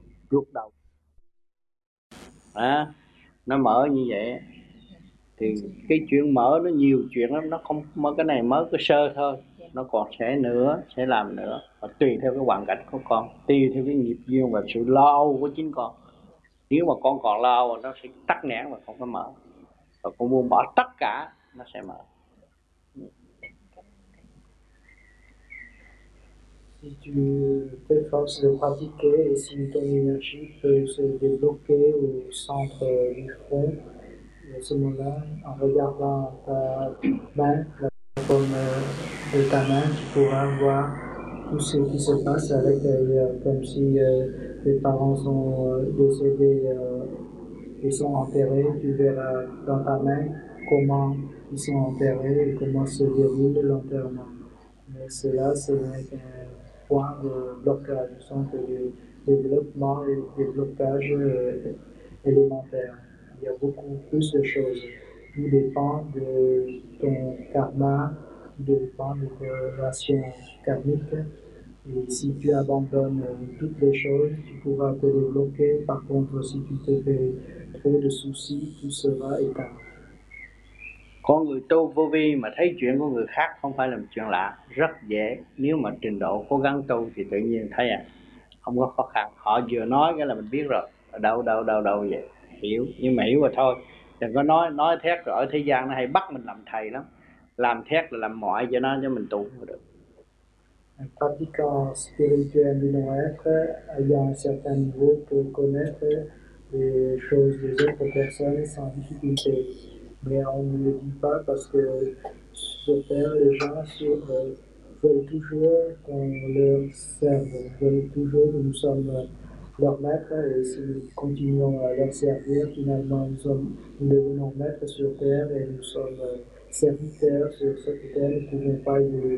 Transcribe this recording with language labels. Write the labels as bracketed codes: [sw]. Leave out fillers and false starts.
[vi] rút đầu nó mở như vậy thì cái chuyện mở nó nhiều chuyện lắm, nó không mở cái này mới có sơ thôi, nó còn sẽ nữa, sẽ làm nữa, và tùy theo cái hoàn cảnh của con, tùy theo cái nghiệp duyên và sự lo âu của chính con. Nếu mà con còn lo âu nó sẽ tắc nghẽn và không có mở, và con buông bỏ tất cả nó sẽ mở. [fr] Si tu fais force de pratiquer et si ton énergie peut se débloquer au centre du front, à ce moment-là, en regardant ta main, la forme de ta main, tu pourras voir tout ce qui se passe à l'intérieur, comme si tes parents sont décédés et sont enterrés. Tu verras dans ta main comment ils sont enterrés et comment se déroule l'enterrement. Mais cela, c'est un point de blocage, sont le développement et le blocage élémentaire. Il y a beaucoup plus de choses. Tout dépend de ton karma, dépend de ta relation karmique. Et si tu abandonnes toutes les choses, tu pourras te débloquer. Par contre, si tu te fais trop de soucis, tout sera éteint. [vi] Con người tu vô vi mà thấy chuyện của người khác không phải là một chuyện lạ, rất dễ. Nếu mà trình độ cố gắng tu thì tự nhiên thấy không có khó khăn. Họ vừa nói cái là mình biết rồi, đâu vậy, hiểu, nhưng mà hiểu rồi thôi. Đừng có nói thét rồi, ở thế gian nó hay bắt mình làm thầy lắm. Làm thét là làm mọi cho nó, cho mình tu không được. [fr] Un pratiquant spirituel de non-être, ayant un certain niveau pour connaître les choses des autres personnes sans difficulté. Mais on ne le dit pas parce que sur terre, les gens veulent toujours qu'on leur serve, veulent toujours que nous sommes leurs maîtres, et si nous continuons à leur servir, finalement nous devenons maîtres sur terre et nous sommes serviteurs sur cette terre, nous ne pouvons pas y aller.